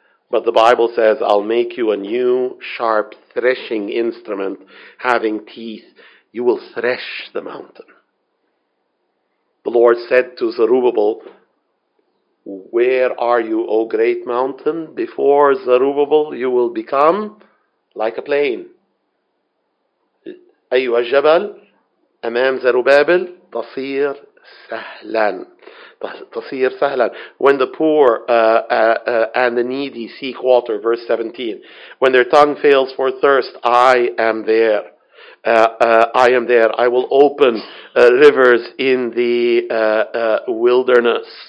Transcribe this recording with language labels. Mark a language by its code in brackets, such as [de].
[en] But the Bible says, I'll make you a new sharp threshing instrument having teeth. You will thresh the mountain. The Lord said to Zerubbabel, where are you, O great mountain? Before Zerubbabel, you will become like a plain. [ar] أيها الجبل أمام زروبابل تصير سهلا. تصير سهلا. [en] When the poor and the needy seek water, verse 17. When their tongue fails for thirst, I am there. I am there. I will open rivers in the wilderness.